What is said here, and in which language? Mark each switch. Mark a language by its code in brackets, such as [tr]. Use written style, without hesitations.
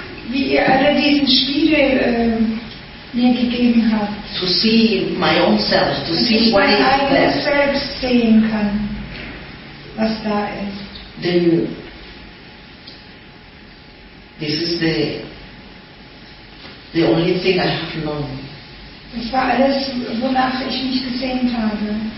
[de] Wie ihr alle diesen Spiegel mir gegeben habt. [en] To see my own self, to see what is there. [de] Dass ich mein eigenes Selbst sehen kann, was da ist. [en] Then this is the. The only thing I have known. [de] Das war alles, wonach ich mich gesehnt habe.